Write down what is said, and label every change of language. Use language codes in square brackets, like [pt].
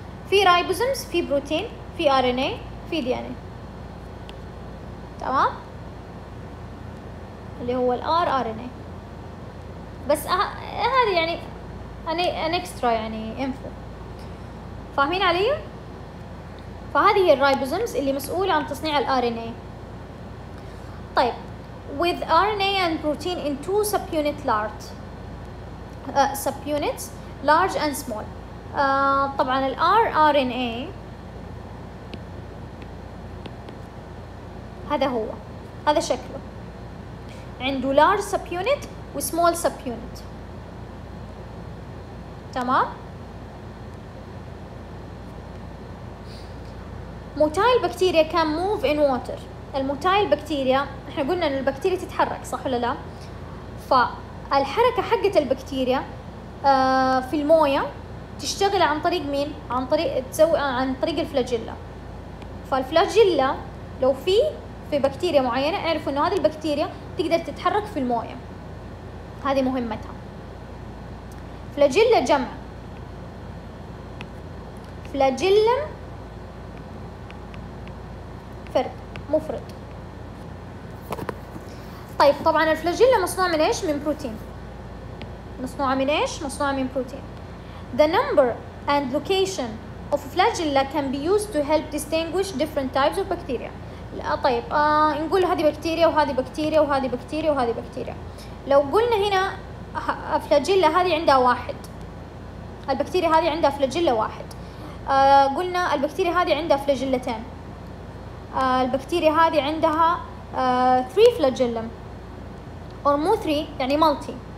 [ar] في رايبوزومز، في بروتين، في ار ان اي، في دي ان اي، تمام، اللي هو الار ار ان اي. بس هذا يعني ان اكسترا يعني انفو، فاهمين علي؟ فهذه هي الرايبوزومز اللي مسؤولة عن تصنيع الار ان اي. [en] طيب with RNA and protein in two subunit large subunits large and small. [ar] طبعا ال rRNA هذا هو، هذا شكله، عنده large subunit و small subunit، تمام. [en] motile bacteria can move in water. [ar] الموتايل بكتيريا، احنا قلنا ان البكتيريا تتحرك صح ولا لا؟ فالحركة حقة البكتيريا في الموية تشتغل عن طريق مين؟ عن طريق تسوي عن طريق الفلاجيلا. فالفلاجيلا لو في بكتيريا معينة، اعرفوا انه هذه البكتيريا تقدر تتحرك في الموية، هذه مهمتها. فلاجيلا جمع فلاجيلم، فرد مفرد. طيب طبعا الفلاجيلا مصنوعة من ايش؟ من بروتين. مصنوعة من ايش؟ مصنوعة من بروتين. [en] The number and location of flagella can be used to help distinguish different types of bacteria. [ar] لا طيب نقول هذه بكتيريا وهذه بكتيريا وهذه بكتيريا وهذه بكتيريا. لو قلنا هنا فلاجيلا هذه عندها واحد، البكتيريا هذه عندها فلاجيلا واحد. قلنا البكتيريا هذه عندها فلاجيلتين. البكتيريا هذه عندها 3 فلاجيلم or مو 3 يعني ملتي.